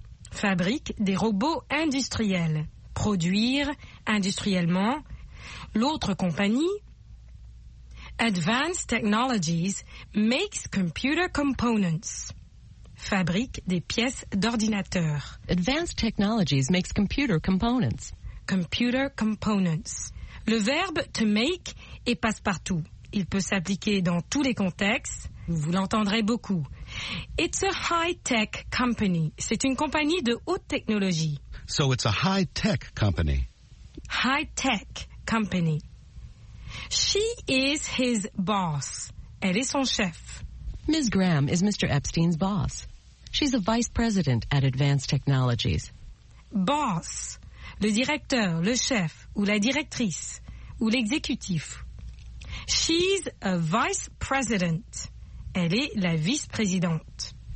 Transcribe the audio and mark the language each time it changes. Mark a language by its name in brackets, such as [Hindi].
[French] Fabrique des robots industriels. Produire industriellement. L'autre compagnie, [English] Advanced Technologies makes computer components. [French] Fabrique des pièces d'ordinateur. [English] Advanced Technologies makes computer components. Computer components. [French] Le verbe to make est passe-partout. Il peut s'appliquer dans tous les contextes. Vous l'entendrez beaucoup. [English] It's a high-tech company. [French] C'est une compagnie de haute technologie. [English] So it's a high-tech company. High-tech company. She is his boss. [French] Elle est son chef. [English] Ms. Graham is Mr. Epstein's boss. She's the vice president at Advanced Technologies. Boss. [French] Le directeur, le chef, ou la directrice, ou l'exécutif. [English] She's a vice president. [French] Elle est la vice-présidente.